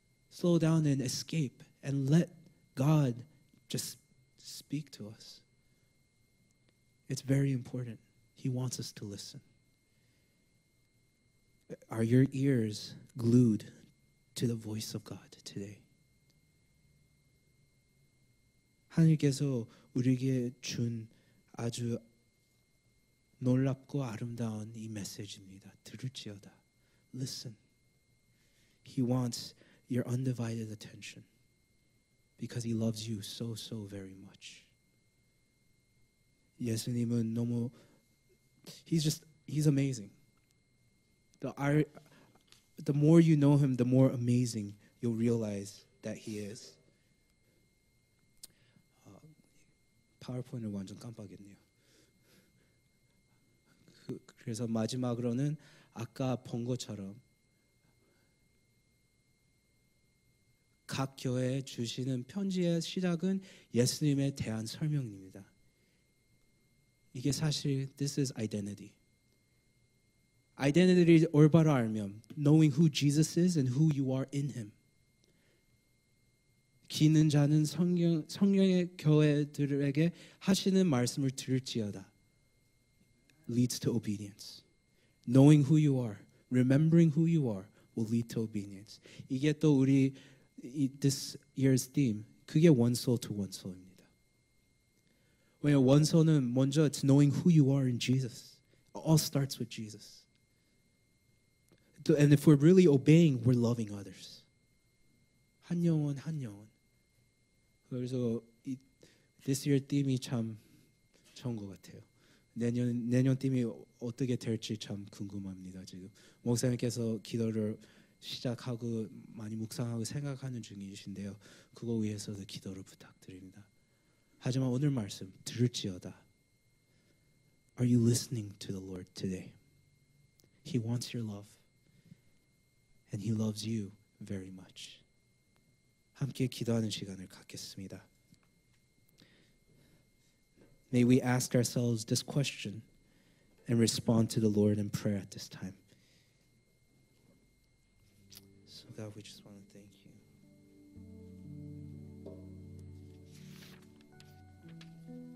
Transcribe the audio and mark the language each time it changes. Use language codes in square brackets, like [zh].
[en] Slow down and escape and let God just speak to us. It's very important. He wants us to listen. Are your ears glued to the voice of God today? [ko] 하나님께서 우리에게 준 아주 놀랍고 아름다운 이 메시지입니다. 들을지어다. [en] Listen. He wants your undivided attention because he loves you so, so very much. [ko] 예수님은 너무 [en] he's amazing. The more you know him, the more amazing you'll realize that he is. [ko] 파워포인트 완전 깜빡했네요. 그래서 마지막으로는 아까 본 것처럼 각 교회에 주시는 편지의 시작은 예수님에 대한 설명입니다. 이게 사실 [en] this is identity. [ko] Identity를 올바로 알면 [en] knowing who Jesus is and who you are in him. [ko] 기는 자는 성령의 교회들에게 하시는 말씀을 들을지어다. [en] Leads to obedience. Knowing who you are, remembering who you are, will lead to obedience. [ko] 이게 또 우리 [en] this year's theme. [ko] 그게 [en] one soul to one soul [ko] 입니다. 왜냐 one soul은 먼저 [en] it's knowing who you are in Jesus. It all starts with Jesus. And if we're really obeying, we're loving others. [ko] 한 영혼 한 영혼. 그래서 [en] this year's theme [ko] 이 참 좋은 것 같아요. 내년 팀이 어떻게 될지 참 궁금합니다. 지금 목사님께서 기도를 시작하고 많이 묵상하고 생각하는 중이신데요. 그거 위해서도 기도를 부탁드립니다. 하지만 오늘 말씀 들을지어다. [en] Are you listening to the Lord today? He wants your love. And he loves you very much. [ko] 함께 기도하는 시간을 갖겠습니다. [en] May we ask ourselves this question and respond to the Lord in prayer at this time. So God, we just want to thank you.